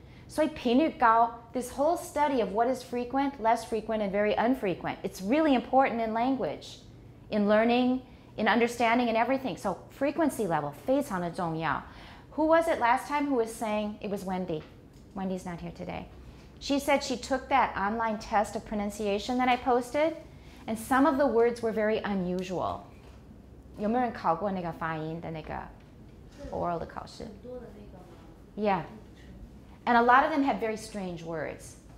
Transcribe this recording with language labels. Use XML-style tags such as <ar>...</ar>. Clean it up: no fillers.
<en>So this whole study of what is frequent, less frequent, and very unfrequent, it's really important in language, in learning, in understanding and everything. So frequency level,</en> <zh>非常的重要.</zh> <en>Who was it last time who was saying, it was Wendy. Wendy's not here today. She said she took that online test of pronunciation that I posted, and some of the words were very unusual.</en> <zh>有没有人考过那个发音的那个 oral 的考试?</zh> <en>Yeah. And a lot of them had very strange words.</en>